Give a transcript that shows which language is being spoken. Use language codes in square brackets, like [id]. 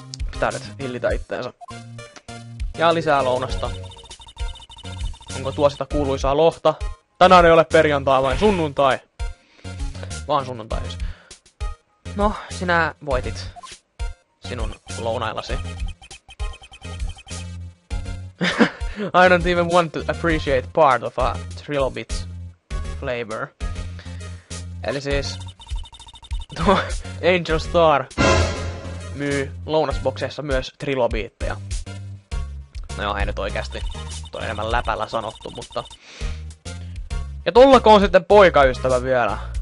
[fi] Pitää nyt hillitä itteensä. Ja lisää lounasta. Onko tuo sitä kuuluisaa lohta? Tänään ei ole perjantai vain sunnuntai. Vaan sunnuntai siis. No, sinä voitit sinun lounaillasi. [en] I don't even want to appreciate part of a trilobit flavor. [fi] Eli siis tuo Angel Star myy lounasbokseissa myös trilobiitteja. No joo, ei nyt oikeasti. Tuo on enemmän läpällä sanottu, mutta... Ja tullako on sitten poikaystävä vielä?